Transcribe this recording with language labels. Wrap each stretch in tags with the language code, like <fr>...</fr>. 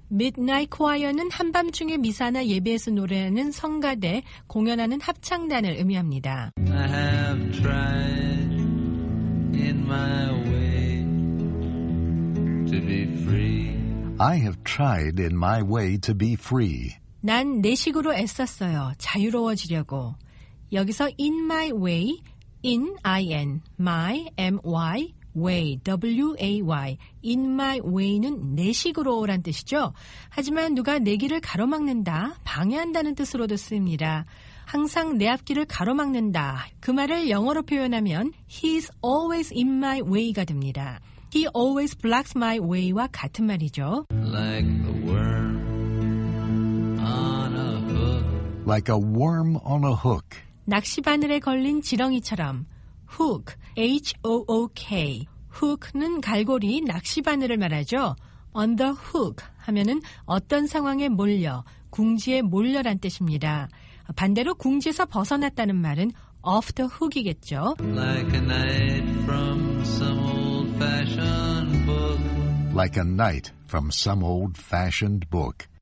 <ko>Midnight Choir는 한밤중에 미사나 예배에서 노래하는 성가대, 공연하는 합창단을 의미합니다.</ko> <en>I have tried in my way to be free. I have tried in my way to be free.</en> <ko>난 내 식으로 애썼어요. 자유로워지려고.</ko> <en>여기서 in my way, in, I-N, my, M-Y, way, W-A-Y.</en> <ko>In my way는 내 식으로란 뜻이죠. 하지만 누가 내 길을 가로막는다, 방해한다는 뜻으로도 씁니다. 항상 내 앞길을 가로막는다. 그 말을 영어로 표현하면</ko> <en>He's always in my way</en> <ko>가 됩니다.</ko> <en>He always blocks my way</en> <ko>와 같은 말이죠.</ko> <en>Like a worm on a hook. Like a worm on a hook.</en> <ko>낚시 바늘에 걸린 지렁이처럼 Hook, H-O-O-K. Hook는 갈고리, 낚시바늘을 말하죠. On the hook 하면은 어떤 상황에 몰려, 궁지에 몰려란 뜻입니다. 반대로 궁지에서 벗어났다는 말은 off the hook이겠죠.</ko> <en>Like a knight from some old-fashioned book. Like a knight from some old-fashioned book.</en>